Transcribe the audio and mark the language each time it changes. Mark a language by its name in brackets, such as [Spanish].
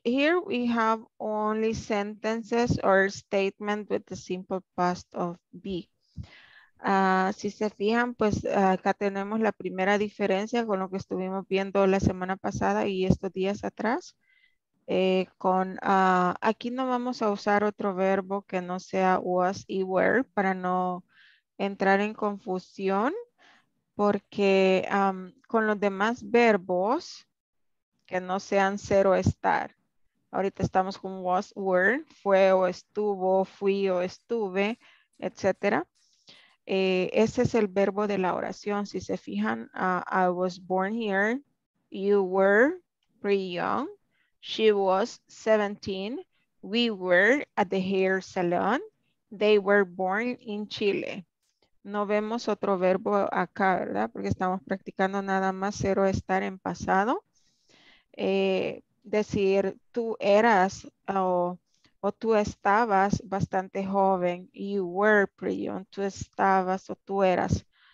[English] Here we have only sentences or statement with the simple past of be. [Spanish] Si se fijan, pues acá tenemos la primera diferencia con lo que estuvimos viendo la semana pasada y estos días atrás. Aquí no vamos a usar otro verbo que no sea was y were para no entrar en confusión, porque con los demás verbos que no sean ser o estar, ahorita estamos con was, were, fue o estuvo, fui o estuve, etcétera. Ese es el verbo de la oración. Si se fijan, [English] I was born here, you were pretty young, she was 17, we were at the hair salon, they were born in Chile. [Spanish] No vemos otro verbo acá, ¿verdad? Porque estamos practicando nada más ser o estar en pasado. Decir tú eras o tú estabas bastante joven, you were pretty young, tú estabas o tú eras.